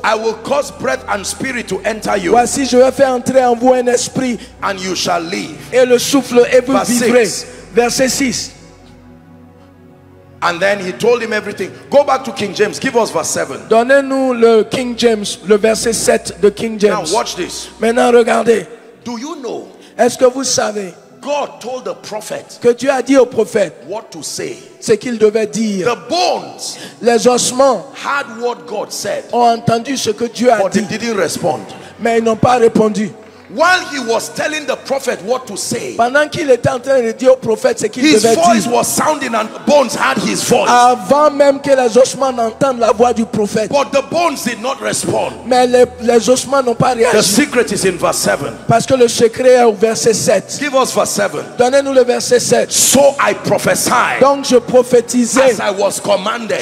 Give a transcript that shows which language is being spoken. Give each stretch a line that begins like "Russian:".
English: I will cause breath and spirit to enter you.
French: Voici, je vais faire entrer en vous un esprit.
English: And you shall live.
French: Et le souffle et vous vivrez. Verset 6.
English: And then he told him everything. Go back to King James. Give us verse 7.
French: Donnez-nous le King James, le verset 7 de King James.
English: Now watch this.
French: Maintenant regardez.
English: Do you know?
French: Est-ce que vous savez?
English: God told the prophet.
French: Que Dieu a dit au prophète.
English: What to say?
French: Ce qu'il devait dire.
English: The bones.
French: Les ossements.
English: Heard what God said.
French: Ont entendu ce que Dieu a
English: but
French: dit.
English: But they didn't respond.
French: Mais ils n'ont pas répondu.
English: While he was telling the prophet what to say,
French: pendant qu'il était en train de dire au prophète ce qu'il devait dire,
English: his voice was sounding and the bones had his voice.
French: Avant même que les ossements entendent la voix du prophète,
English: but the bones did not respond.
French: Mais les ossements n'ont pas réagi.
English: The secret is in verse 7.
French: Parce que le secret est au verset 7.
English: Give us verse 7.
French: Donnez-nous le verset 7.
English: So I prophesied.
French: Donc je prophétisais.
English: As I was commanded.